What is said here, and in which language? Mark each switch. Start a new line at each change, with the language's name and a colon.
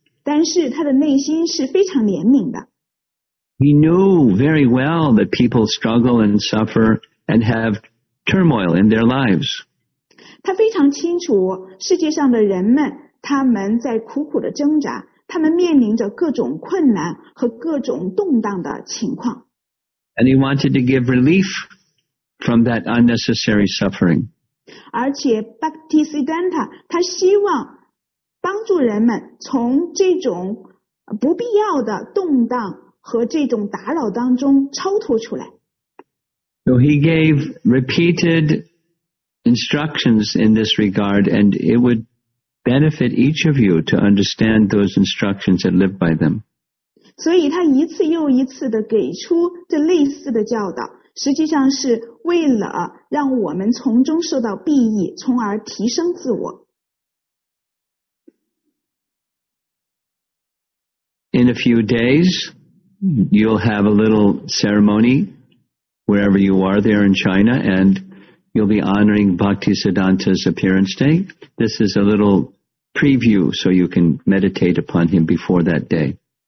Chinese: 但是他的内心是非常怜悯的。
English: He knew very well that people struggle and suffer and have turmoil in their lives.
Chinese: 他非常清楚世界上的人们他们在苦苦的挣扎，他们面临着各种困难和各种动荡的情况。
English: And he wanted to give relief from that unnecessary suffering.
Chinese: 而且 Bhaktisiddhanta 他希望帮助人们从这种不必要的动荡和这种打扰当中超脱出来。
English: So he gave repeated instructions in this regard, and it would benefit each of you to understand those instructions and live by them.
Chinese: 所以他一次又一次的给出这类似的教导，实际上是为了让我们从中受到裨益，从而提升自我。
English: In a few days, you'll have a little ceremony wherever you are there in China, and you'll be honoring Bhaktisiddhanta's appearance day. This is a little preview so you can meditate upon him before that day.